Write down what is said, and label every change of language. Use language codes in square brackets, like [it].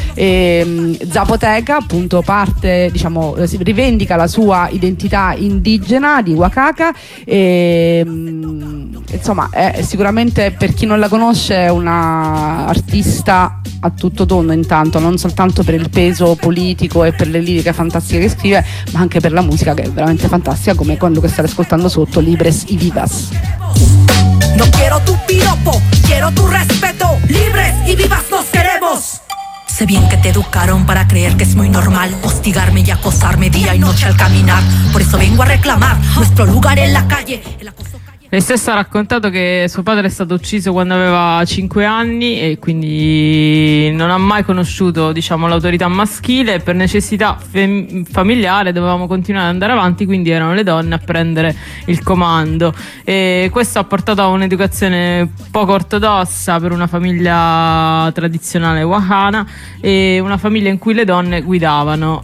[it] E Zapoteca appunto parte, diciamo, si rivendica la sua identità indigena di Oaxaca e insomma è sicuramente, per chi non la conosce, è una artista a tutto tondo, intanto non soltanto per il peso politico e per le liriche fantastiche che scrive, ma anche per la musica, che è veramente fantastica, come quello che state ascoltando sotto, Libres y Vivas. [es] Non quiero tu piropo, quiero tu respeto, libres y vivas nos queremos. Sé bien que te educaron para creer que es muy normal hostigarme y acosarme día y noche al caminar, por eso vengo a reclamar nuestro lugar en la calle, el acoso. [it] Lei stessa ha raccontato che suo padre è stato ucciso quando aveva 5 anni e quindi non ha mai conosciuto, diciamo, l'autorità maschile. Per necessità familiare dovevamo continuare ad andare avanti, quindi erano le donne a prendere il comando. E questo ha portato a un'educazione poco ortodossa per una famiglia tradizionale wahana e una famiglia in cui le donne guidavano.